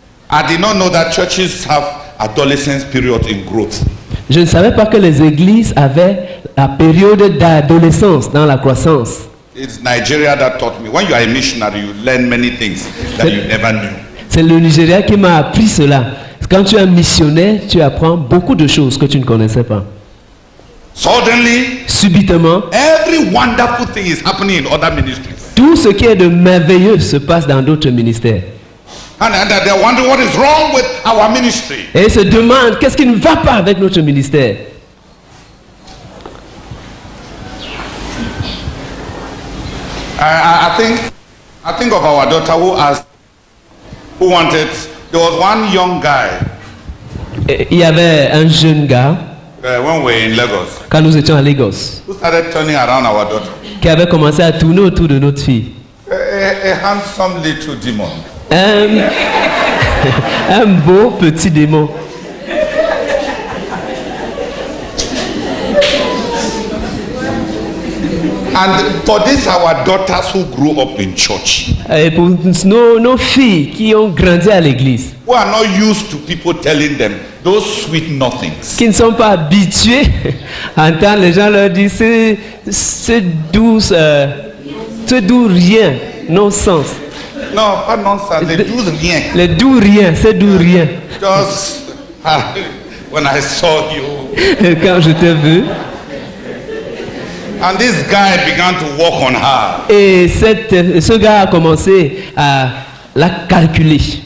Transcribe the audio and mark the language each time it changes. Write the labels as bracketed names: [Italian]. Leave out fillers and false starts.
[English] I did not know that churches have adolescence period in growth. [French] Je ne savais pas que les églises avaient la période d'adolescence dans la croissance. [English] It's Nigeria that taught me. When you are a missionary, you learn many things that you never knew. [French] C'est le Nigeria qui m'a appris cela. Quand tu es missionnaire, tu apprends beaucoup de choses que tu ne connaissais pas. [English] Suddenly, [French] subitement, [English] every wonderful thing is happening in other ministries. [French] Tout ce qui est de merveilleux se passe dans d'autres ministères. [English] And they wonder what is wrong with our ministry. [French] Et ils se demandent qu'est-ce qui ne va pas avec notre ministère. [English] I think of our daughter who asked, who wanted. There was one young guy. [French] Il y avait un jeune gars. [English] When we were in Lagos. [French] Quand nous étions à Lagos. [English] Who started turning around our daughter. [French] Qui avait commencé à tourner autour de notre fille. [English] A handsome little demon. [French] un beau petit démon. [English] And for this, our daughters who grew up in church. [French] Et pour nos filles qui ont grandi à l'église. [English] Who are not used to people telling them those sweet nothings. [French] Qui ne sont pas habitués à entendre les gens leur dire ce doux rien, non-sens. Non, pas non-sens, les doux rien. Les doux rien, ces doux rien. [English] Just when I saw you. [French] Et quand je t'ai vu. [English] And this guy began to work on her. [French] Et ce gars a commencé à la calculer.